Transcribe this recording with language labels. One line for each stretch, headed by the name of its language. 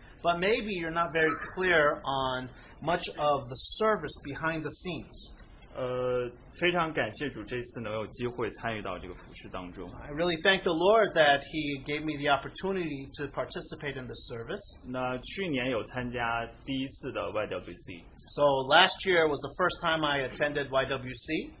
English: But maybe you're not very clear on much of the service behind the scenes.
Chinese: 非常感谢主这次能有机会参与到这个服事当中。
English: I really thank the Lord that He gave me the opportunity to participate in the service.
Chinese: 那去年有参加第一次的YWC。
English: So last year was the first time I attended YWC.